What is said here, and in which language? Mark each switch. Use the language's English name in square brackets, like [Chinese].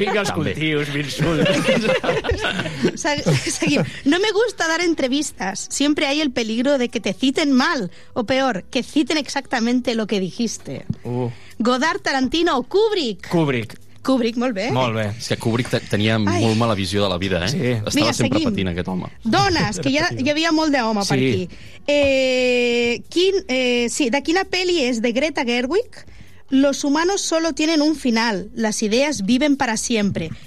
[Catalan] Vinga, els cultius, m'insult. Seguim. [Spanish] No me gusta dar entrevistas. Siempre hay el peligro de que te citen mal. O peor, que citen exactamente lo que dijiste. Godard, Tarantino o Kubrick. Kubrick. [Catalan] Kubrick, molt bé. Molt bé. És que Kubrick tenia molt mala visió de la vida, eh? Sí. Estava Mira, sempre patint aquest home. Dones, que hi havia molt d'home per aquí. De quina pel·li és? De Greta Gerwig? [Spanish] Los humanos solo tienen un final. Las ideas viven para siempre.